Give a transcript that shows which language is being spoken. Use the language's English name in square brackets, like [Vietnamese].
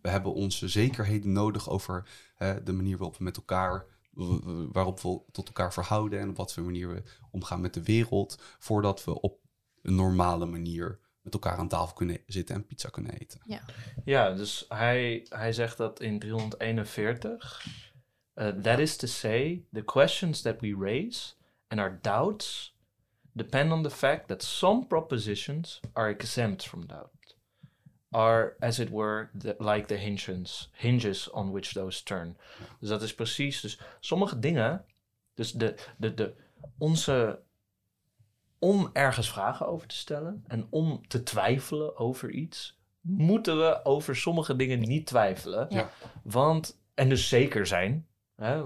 [Dutch] We hebben onze zekerheden nodig over de manier waarop we met elkaar, waarop we tot elkaar verhouden en op wat voor manier we omgaan met de wereld, voordat we op een normale manier met elkaar aan tafel kunnen zitten en pizza kunnen eten. Ja, ja, dus hij zegt dat in 341... [English] that is to say, the questions that we raise and our doubts depend on the fact that some propositions are exempt from doubt, are, as it were, like the hinges on which those turn. [Dutch] Dus dat is precies, dus sommige dingen, dus de onze, om ergens vragen over te stellen en om te twijfelen over iets, moeten we over sommige dingen niet twijfelen, ja. Want, en dus zeker zijn. Hè?